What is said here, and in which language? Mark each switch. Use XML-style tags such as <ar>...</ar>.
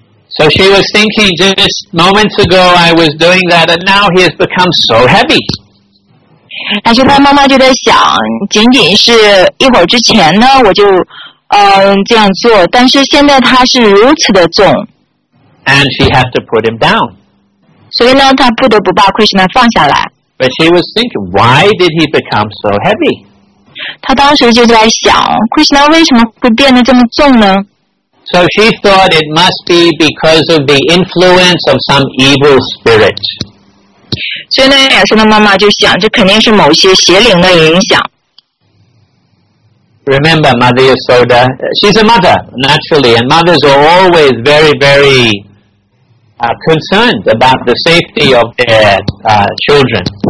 <en>So she was thinking, just moments ago I was doing that, and now he has become so heavy.</en> <zh>但是她妈妈就在想，仅仅是一会儿之前呢，我就这样做，但是现在他是如此的重。</zh> <en>And she had to put him down.</en> <zh>所以呢，她不得不把Krishna放下来。</zh> <en>But she was thinking, why did he become so heavy?</en> <zh>她当时就在想，Krishna为什么会变得这么重呢？</zh> <en>So she thought it must be because of the influence of some evil spirit.</en> <zh>所以呢，亚瑟的妈妈就想，这肯定是某些邪灵的影响。</zh> <en>Remember Mother Yasoda, she's a mother, naturally, and mothers are always very, very concerned about the safety of their children.</en>